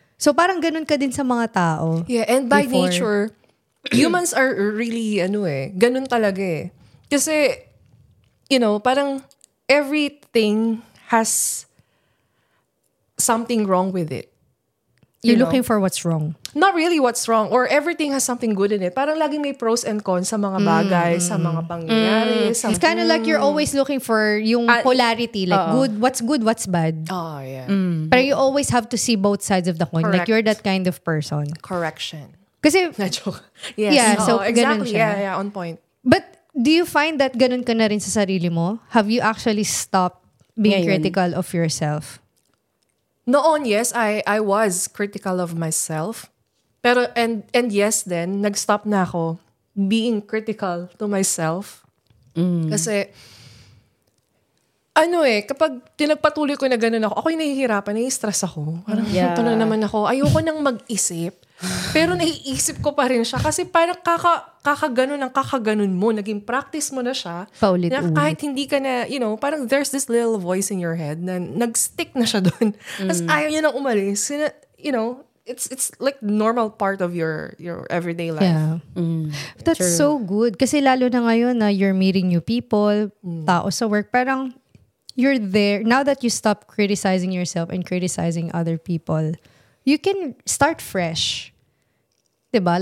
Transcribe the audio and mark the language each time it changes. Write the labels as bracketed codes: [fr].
[tl] So parang ganun ka din sa mga tao. [en] Yeah, and by nature, humans are really, [tl] ano eh, ganun talaga eh. Kasi, [en] you know, [tl] parang [en] everything has something wrong with it. You're looking for what's wrong. Not really what's wrong, or everything has something good in it. [tl] Parang laging may [en] pros and cons [tl] sa mga bagay, sa mga pangyayari. [en] It's kind of like you're always looking for [tl] yung [en] polarity, like good, what's good, what's bad. Oh, yeah. But you always have to see both sides of the coin. Correct. Like you're that kind of person. Correction. [tl] Kasi, na joke. [en] Yes. Yeah, no, so exactly. [tl] Siya. [en] Yeah, yeah, on point. But do you find that [tl] ganun ka na rin sa sarili mo? [en] Have you actually stopped being critical of yourself? Noon, yes, I was critical of myself. [tl] Pero, [en] and yes then [tl] nag-stop na ako [en] being critical to myself. [tl] Kasi, ano eh, kapag tinagpatuloy ko na ganun ako, ako'y nahihirapan, nai-stress ako. Parang [en] yeah. [tl] Ito na naman ako. Ayoko nang mag-isip. Pero naiisip ko pa rin siya kasi parang kakaganon ang kakaganon mo. Naging practice mo na siya. Paulit-ulit. Na kahit hindi ka na, [en] you know, [tl] parang [en] there's this little voice in your head [tl] na nag-stick na siya doon. Tapos ayaw niya nang umalis. [en] You know, it's like normal part of your everyday life. Yeah. Mm. That's true. So good. [tl] Kasi lalo na ngayon na [en] you're meeting new people, [tl] tao sa work, parang [en] you're there. Now that you stop criticizing yourself and criticizing other people, you can start fresh. [tl] Diba?